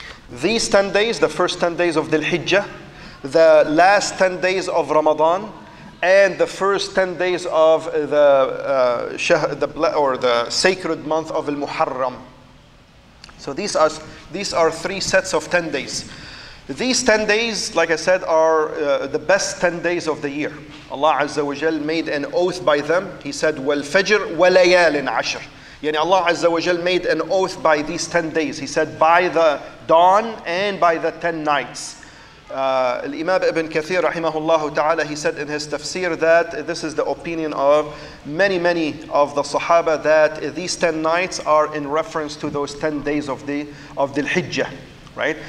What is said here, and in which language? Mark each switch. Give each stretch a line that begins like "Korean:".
English: These 10 days, the first 10 days of Dhul Hijjah, the last 10 days of Ramadan, and the first 10 days of the sacred month of Al-Muharram. So these are three sets of 10 days. These 10 days, like I said, are the best 10 days of the year. Allah Azza wa Jal made an oath by them. He said,
Arabic: وَالْفَجْرِ وَلَيَالٍ عَشْرٍ.
English: Yani Allah Azza wa Jal made an oath by these 10 days. He said, by the dawn and by the 10 nights. Imam Ibn Kathir, rahimahullah ta'ala, he said in his tafsir that this is the opinion of many, many of the Sahaba, that these 10 nights are in reference to those 10 days of the Hijjah. Right?